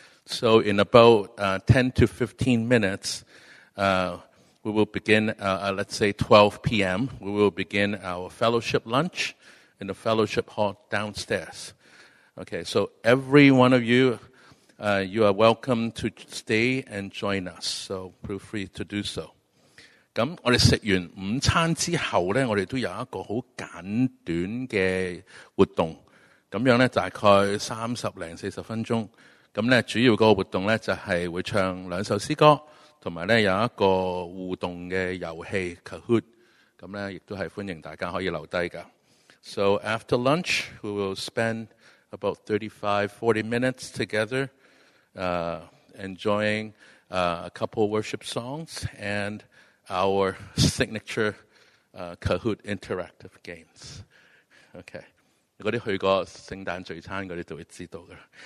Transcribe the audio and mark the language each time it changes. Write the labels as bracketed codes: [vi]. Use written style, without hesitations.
[en] So in about 10 to 15 minutes, we will begin, let's say 12 p.m. We will begin our fellowship lunch in the fellowship hall downstairs. Okay, so every one of you, you are welcome to stay and join us. So feel free to do so. [yue] 咁我哋食完午餐之後咧，我哋都有一個好簡短嘅活動。咁样呢大概三十零四十分钟。咁呢主要嗰个活动呢就係、是、会唱两首诗歌，同埋呢有一个互动嘅游戏 Kahoot。咁呢亦都係欢迎大家可以留低㗎。 [en] So after lunch, we will spend about 35-40 minutes together, enjoying, a couple worship songs and our signature, Kahoot interactive games. Okay. [yue] 嗰啲去過聖誕聚餐嗰啲就會知道嘅。